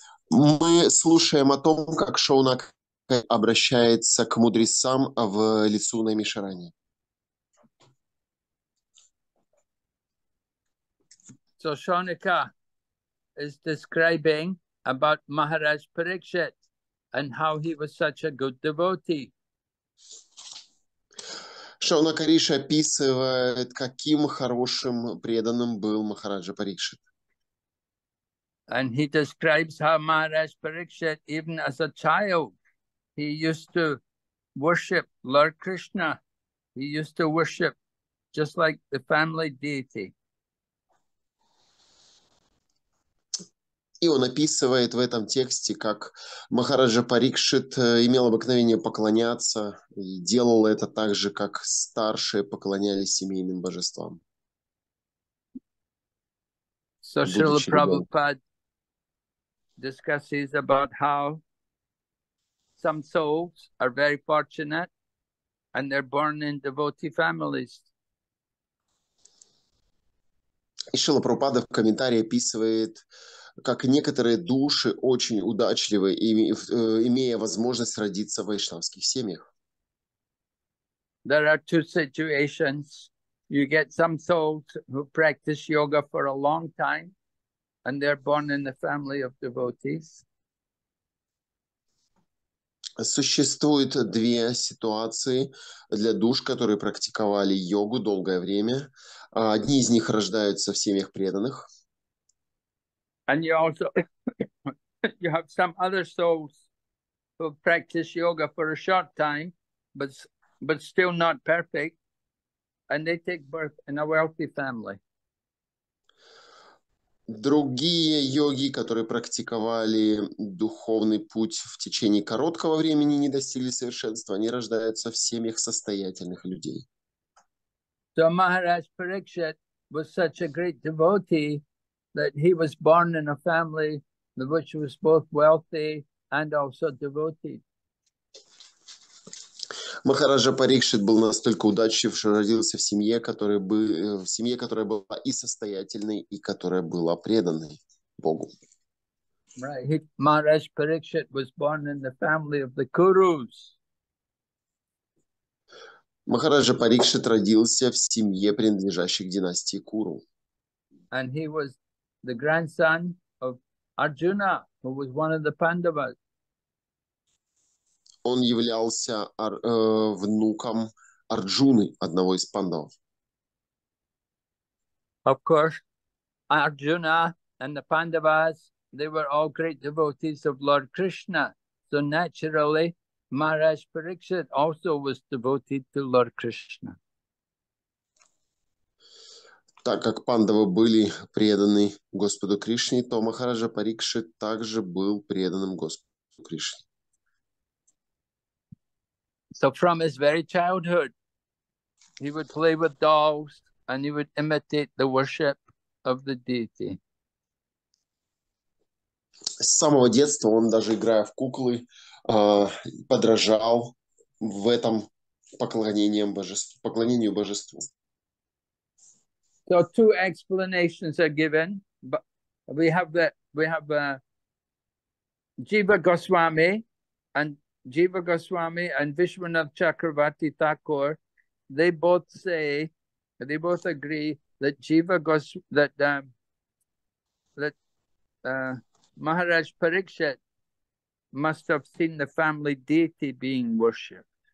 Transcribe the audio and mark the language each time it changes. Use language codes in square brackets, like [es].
[ru] Мы слушаем о том, как Шоунак обращается к мудрецам в лицу Наймишарани. [en] So Shonaka is describing about Maharaj Parikshit and how he was such a good devotee. [ru] Шонака Риши описывает, каким хорошим преданным был Махараджа Парикшит. [en] And he describes how Maharaj Parikshit, even as a child, he used to worship Lord Krishna. He used to worship just like the family deity. [ru] И он описывает в этом тексте, как Махараджа Парикшит имел обыкновение поклоняться и делал это так же, как старшие поклонялись семейным божествам. [en] So Srila Prabhupada discusses about how some souls are very fortunate and they're born in devotee families. [ru] И Шрила Прабхупада в комментарии описывает, как некоторые души очень удачливы, имея возможность родиться в вайшнавских семьях. [en] There are two situations. You get some souls who practice yoga for a long time, and they're born in the family of devotees. [ru] Существует две ситуации для душ, которые практиковали йогу долгое время. Одни из них рождаются в семьях преданных. [en] And you also you have some other souls who practice yoga for a short time, but still not perfect, and they take birth in a wealthy family. [ru] Другие йоги, которые практиковали духовный путь в течение короткого времени, не достигли совершенства, они рождаются в семьях состоятельных людей. [en] So Maharaj Parikshit was such a great devotee that he was born in a family which was both wealthy and also devoted. [ru] Махараджа Парикшит был настолько удачлив, что родился в семье, которая была и состоятельной, и которая была преданной Богу. [en] Right. Maharaj Parikshit was born in the family of the Kurus. [ru] Махараджа Парикшит родился в семье, принадлежащей к династии Куру. [en] And he was the grandson of Arjuna, who was one of the Pandavas. [ru] Он являлся внуком Арджуны, одного из Пандав. [en] Of course, Arjuna and the Pandavas, they were all great devotees of Lord Krishna. So naturally, Maharaj Parikshit also was devoted to Lord Krishna. [ru] Так как пандавы были преданы Господу Кришне, то Махараджа Парикшит также был преданным Господу Кришне. [en] So from his very childhood, he would play with dolls and he would imitate the worship of the deity. [ru] С самого детства он, даже играя в куклы, подражал в этом поклонению божеству. [en] So two explanations are given, but we have Jiva Goswami and Vishwanath Chakravarti Thakur. They both say, they both agree that Maharaj Parikshit must have seen the family deity being worshipped.